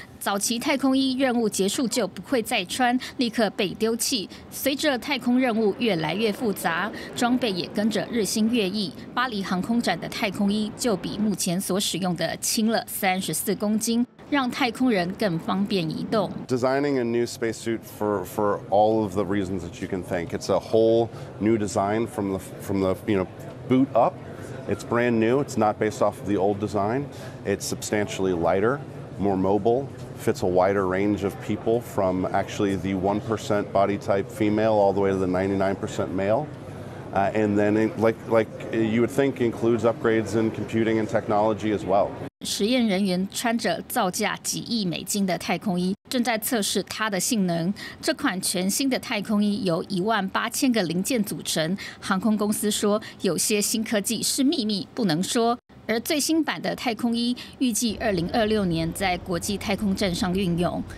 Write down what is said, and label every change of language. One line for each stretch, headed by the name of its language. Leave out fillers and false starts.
Chinese: 早期太空衣任务结束就不会再穿，立刻被丢弃。随着太空任务越来越复杂，装备也跟着日新月异。巴黎航空展的太空衣就比目前所使用的轻了34公斤。让太空人更方便移动。
English: Designing a new spacesuit for all of the reasons that you can think. It's a whole new design from the boot up. It's brand new. It's not based off of the old design. It's substantially lighter, more mobile, fits a wider range of people from actually the 1% body type female all the way to the 99% male. And then, like you would think, includes upgrades in computing and technology as well.
Chinese: 实验人员穿着造价几亿美金的太空衣，正在测试它的性能。这款全新的太空衣由18000个零件组成。航空公司说，有些新科技是秘密，不能说。而最新版的太空衣预计2026年在国际太空站上运用。